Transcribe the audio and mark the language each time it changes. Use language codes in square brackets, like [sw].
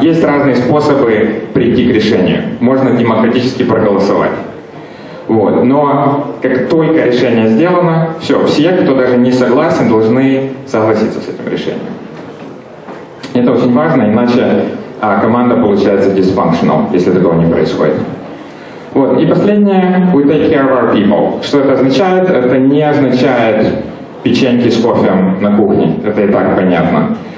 [ru] Есть разные способы прийти к решению. Можно демократически проголосовать. Вот. Но как только решение сделано, все, кто даже не согласен, должны согласиться с этим решением. Это очень важно, иначе команда получается dysfunctional, если такого не происходит. Вот. И последнее, [en] we take care of our people. [ru] Что это означает? Это не означает печеньки с кофе на кухне, это и так понятно.